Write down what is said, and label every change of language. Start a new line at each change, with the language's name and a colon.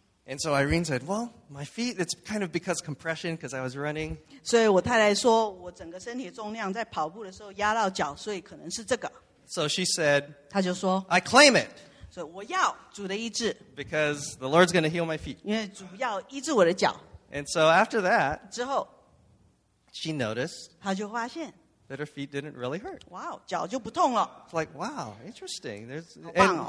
English: And so Irene said, well, my feet, it's kind of because compression, because I was running.
Chinese: 所以我太太说,我整个身体重量在跑步的时候压到脚,所以可能是这个。
English: So she said,
Chinese: 她就说,
English: I claim it.
Chinese: 所以我要主的医治。
English: Because the Lord's going to heal my feet.
Chinese: 因为主要医治我的脚。
English: And so after that,
Chinese: 之后,
English: she noticed,
Chinese: 她就发现,
English: that her feet didn't really hurt.
Chinese: Wow, 脚就不痛了。
English: It's like, wow, interesting. There's,
Chinese: 好棒哦。